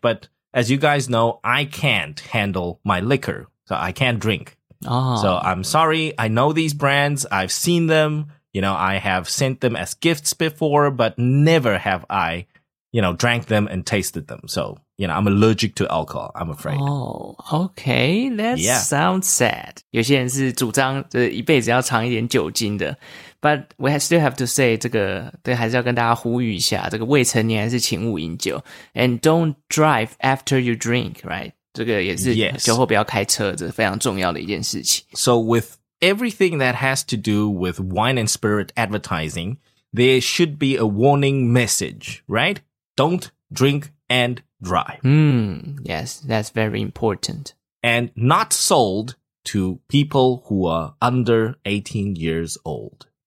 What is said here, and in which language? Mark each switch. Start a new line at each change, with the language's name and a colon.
English: But as you guys know, I can't handle my liquor, so I can't drink. So I'm sorry, I know these brands, I've seen them, you know, I have sent them as gifts before, but never have I, you know, drank them and tasted them. So, you know, I'm allergic to alcohol, I'm afraid. Oh, okay, that sounds sad.
Chinese: 有些人是主张就是一辈子要尝一点酒精的。
English: But we still have to say,
Chinese: 这个对还是要跟大家呼吁一下，这个未成年还是请勿饮酒。
English: And don't drive after you drink, right?
Chinese: 这个也是酒后不要开车，这是非常重要的一件事情。
English: So with everything that has to do with wine and spirit advertising, there should be a warning message, right? Don't drink and dry. Yes, that's very important. And not sold to people who are under 18 years old.